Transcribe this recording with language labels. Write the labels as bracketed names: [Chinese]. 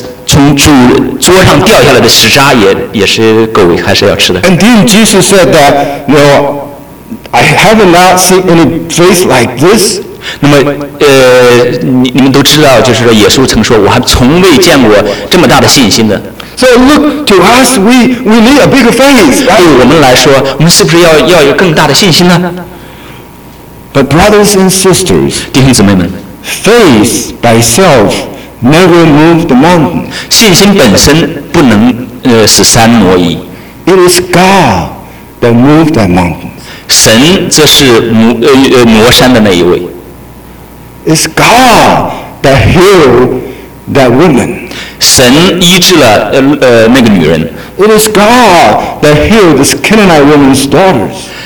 [Chinese] 从桌上掉下来的石渣也是狗还是要吃的。 [English] And then Jesus said that, well, I have not seen any faith like this. [Chinese] 那么你们都知道，就是说耶稣曾说，我还从未见过这么大的信心的。 [English] So look to us, we need a bigger faith.、Right? [Chinese] 对我们来说，我们是不是要有更大的信心呢 [English] ？But brothers and sisters, [Chinese] 弟兄姊妹们 [English] ，faith by itself. Never move the mountain. [Chinese] 信心本身不能使山挪移。 [English] It is God that moved that mountain. [Chinese] 神这是挪山的那一位。 [English] It's God that healed that woman. [Chinese] 神医治了那个女人。 [English] It is God that healed this Canaanite woman's daughters.